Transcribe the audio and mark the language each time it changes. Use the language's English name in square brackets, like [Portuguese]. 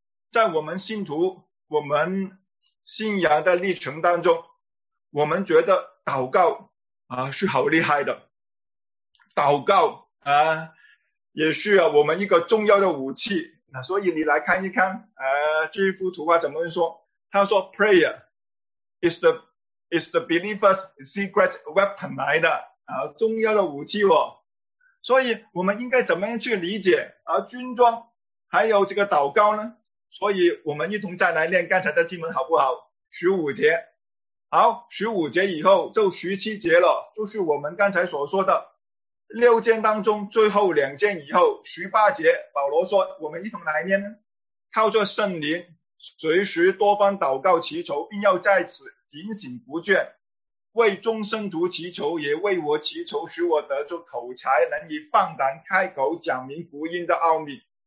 [Chinese] 在我们信徒，我们信仰的历程当中，我们觉得祷告是好厉害的。祷告也是我们一个重要的武器。所以你来看一看这幅图怎么说。他说 [English] prayer is the believer's secret weapon [Chinese] 来的重要的武器哦。所以我们应该怎么样去理解军装还有这个祷告呢？所以我们一同再来练刚才的经文好不好？十五节。好，十五节以后就十七节了，就是我们刚才所说的六件当中最后两件以后，十八节保罗说，我们一同来念呢，靠着圣灵随时多方祷告祈求，并要在此警醒不倦，为众圣徒祈求，也为我祈求，使我得着口才，能以放胆开口讲明福音的奥秘。